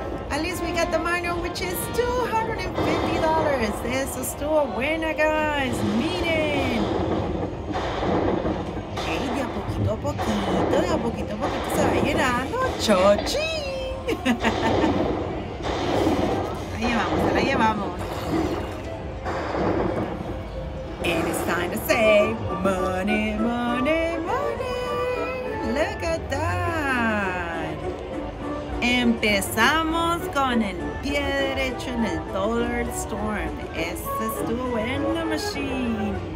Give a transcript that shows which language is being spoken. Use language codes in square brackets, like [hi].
[en] At least we got the minor, which is $250. This is still a winner, guys. Meeting. [es] Okay, de a poquito a poquito, de a poquito a poquito se va llenando. Chochi. La llevamos, la llevamos. [en] And it's time to save money, money, money. Look at that. [es] Empezamos con el pie derecho en el Dollar Storm. Este estuvo bueno, machine.